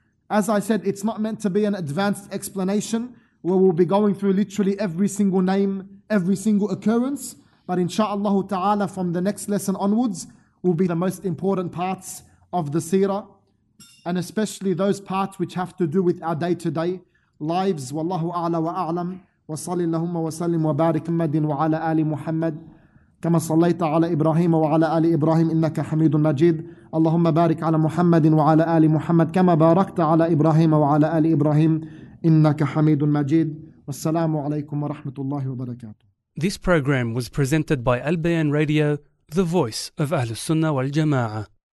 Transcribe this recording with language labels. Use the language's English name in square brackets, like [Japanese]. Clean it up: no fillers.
[English] As I said, it's not meant to be an advanced explanation where we'll be going through literally every single name, every single occurrence. But inshaAllah ta'ala, from the next lesson onwards, will be the most important parts of the seerah, and especially those parts which have to do with our day-to-day lives. [Arabic] Wallahu a'la wa a'lam. Wa salli allahumma wa sallim wa barik madin wa ala ali Muhammad. كما صليت على إبراهيم وعلى آل إبراهيم إنك حميد مجيد اللهم بارك على محمد وعلى آل محمد كما باركت على إبراهيم وعلى آل إبراهيم إنك حميد مجيد والسلام عليكم ورحمة الله وبركاته. [English] This program was presented by Al Bayan Radio, the voice of Ahlus Sunnah wal Jama'ah.